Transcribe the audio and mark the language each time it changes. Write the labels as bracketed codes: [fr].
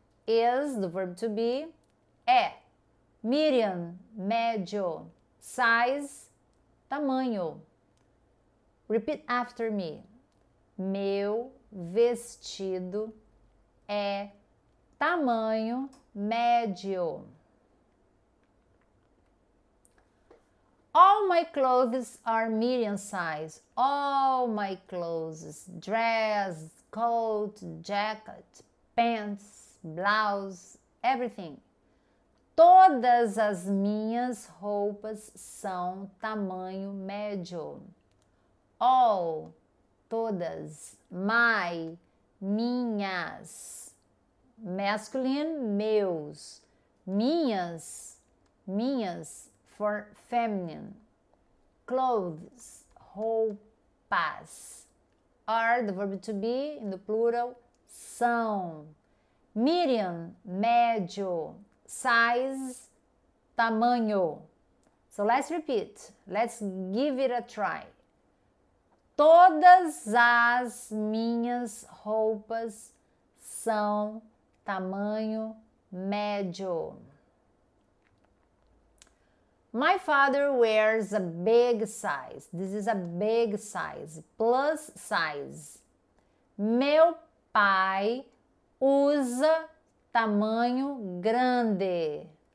[en] Is, the verb to be, é. Medium, médio. Size, tamanho. Repeat after me. [pt] Meu vestido é tamanho médio. [en] All my clothes are medium size. All my clothes. Dress, coat, jacket, pants, blouse, everything. [pt] Todas as minhas roupas são tamanho médio. [en] All, todas, my, minhas, masculine, meus, minhas, minhas, for feminine. Clothes, roupas, are, the verb to be, in the plural, são. Medium, médio. Size, tamanho. So let's repeat. Let's give it a try. [pt] Todas as minhas roupas são tamanho médio. [en] My father wears a big size. This is a big size. Plus size. [pt] Meu pai usa tamanho grande.